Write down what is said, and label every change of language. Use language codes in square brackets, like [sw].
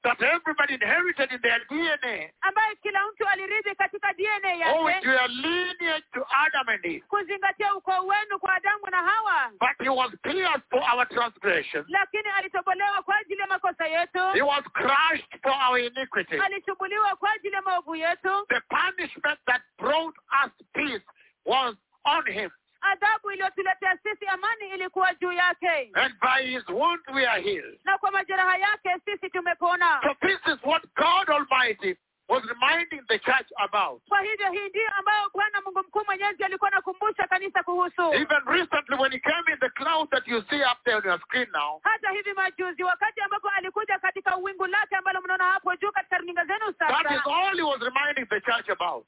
[en] That everybody inherited in their DNA. [sw] Ambayo kila mtu alirithi katika DNA yake. [en] Oh, with your lineage to Adam and Eve. [sw] Kuzingatia ukoo wenu kwa Adamu na Hawa. [en] But he was pierced for our transgression. [sw] Lakini alitobolewa kwa ajili ya makosa yetu. [en] He was crushed for our iniquity. [sw] Alichubuliwa kwa ajili ya maovu yetu. [en] The punishment that brought us peace was on him. [sw] Adhabu iliyotuletea sisi amani ilikuwa juu yake. [en] And by his wound we are healed. [sw] Na kwa majeraha yake sisi tumepona. [en] So this is what God Almighty was reminding the church about. [sw] Kwa hivyo hii ndiyo ambayo Bwana Mungu Mkuu Mwenyezi alikuwa anakumbusha kanisa kuhusu. [en] Even recently when he came in the cloud that you see up there on your screen now. [sw] Hata hivi majuzi wakati ambapo alikuja katika wingu lake ambalo mnaona hapo juu katika runinga zenu sasa. [en] That is all he was reminding the church about.